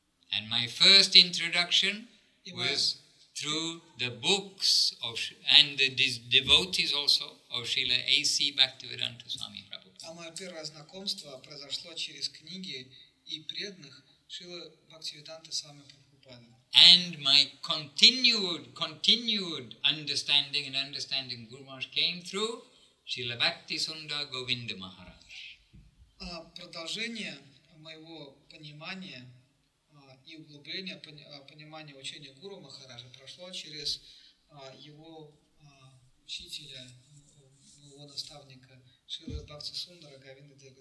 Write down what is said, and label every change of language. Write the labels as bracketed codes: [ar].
[en] And my first introduction was through the books of and the devotees also of Srila A.C. Bhaktivedanta Swami Prabhupada. [ru] А мое первое знакомство произошло через книги и преданных Шрила Бхактивиданта Свами Прабхупады. [en] And my continued understanding and understanding Guru Maharaj came through Srila Bhakti Sundar Govinda Maharaj. [ru] А продолжение моего понимания и углубление понимания учения Гуру Махараджа прошло через его учителя, его наставника Шрила Бхакти Сундара Говинда Дева